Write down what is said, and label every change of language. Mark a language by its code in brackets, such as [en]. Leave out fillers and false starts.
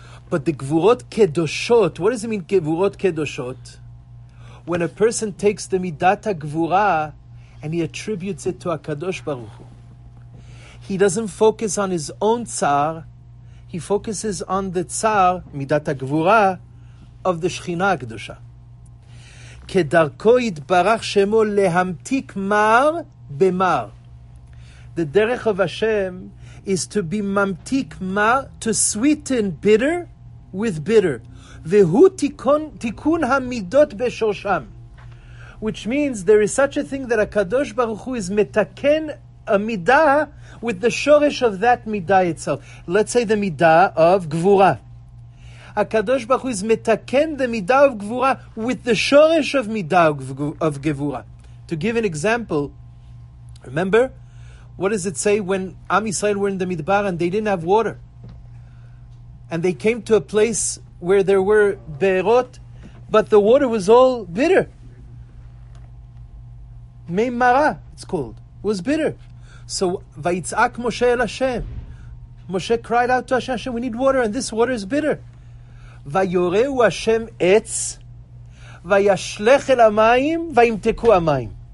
[en] But the gvurot kedoshot, what does it mean, gvurot kedoshot? When a person takes the midat ha-gvura and he attributes it to HaKadosh Baruch Hu, he doesn't focus on his own tzar, he focuses on the tzar, midat ha-gvura, of the Shechina HaKadosha. [he] כדרכו יתברך שמו להמתיק מר במר. [en] The derech of Hashem is to be ממתיק מר, to sweeten bitter with bitter. [he] והוא תיקון המידות בשורשם. [en] Which means there is such a thing that הקדוש ברוך הוא is מתקן a midah with the shoresh of that midah itself. Let's say the midah of גבורה. HaKadosh Baruch Hu is metaken the midah of gevura with the shoresh of midah of gevura. To give an example, remember, what does it say when Am Yisrael were in the midbar and they didn't have water? And they came to a place where there were be'erot, but the water was all bitter. Mei mara, it's called, was bitter. So, [he] Vayitzak Moshe el Hashem. [en] Moshe cried out to Hashem, we need water, and this water is bitter. [he] ויורהו השם עץ, וישלך אל המים, וימתקו המים.